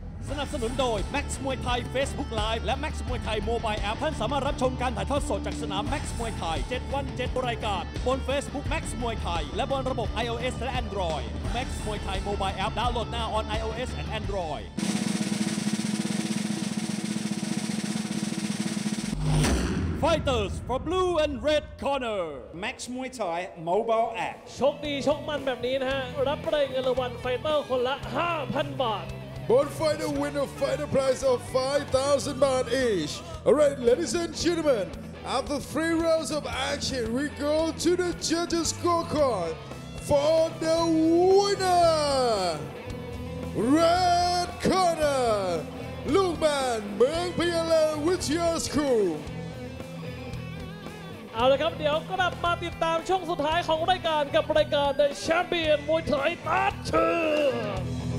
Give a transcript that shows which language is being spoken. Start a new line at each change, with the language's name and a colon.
Thai: สนับสนุนโดย Max มวยไทย Facebook Live และ Max มวยไทย Mobile App ท่านสามารถรับชมการถ่ายทอดสดจากสนาม Max มวยไทย7วัน7รายการบน Facebook Max มวยไทยและบนระบบ iOS และ Android Max มวยไทย Mobile App ดาวน์โหลด
English: now on iOS and Android Fighters for Blue and Red Corner Max มวยไทย Mobile App
Thai: ชกดีชกมันแบบนี้นะฮะรับไปเงินรางวัลไฟเตอร์คนละ 5,000 บาท
English: Bone fighter win a fighter prize of 5,000 baht each. All right, ladies and gentlemen, after three rounds of action, we go to the judges' scorecard for the winner. Red corner, Lungman, Meung Phia Lan, with your school.
Thai: เอาละครับเดี๋ยวกลับมาติดตามช่วงสุดท้ายของรายการกับรายการ The Champion Muay Thai Match.